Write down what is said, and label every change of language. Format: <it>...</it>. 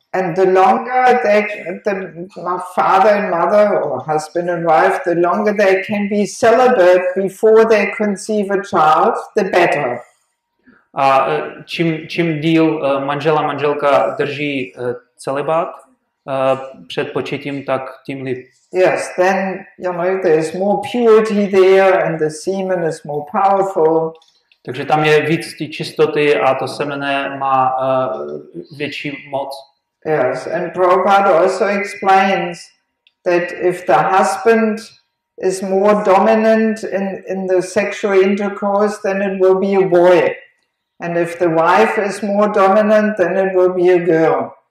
<en>And the longer my father and mother or husband and wife, the longer they can be celibate before they conceive a child, the better.</en> <cs>A čím díl manžela manželka drží celibát před početím, tak tím líp.</cs> <en>Yes, then you know there's more purity there and the semen is more powerful.</en> <cs>Takže tam je víc ty čistoty a to semeno má větší moc.</cs> <en>Yes, and Prabhupada also explains that if the husband is more dominant in the sexual intercourse, then it will be a boy. And if the wife is more dominant, then it will be a girl.</en>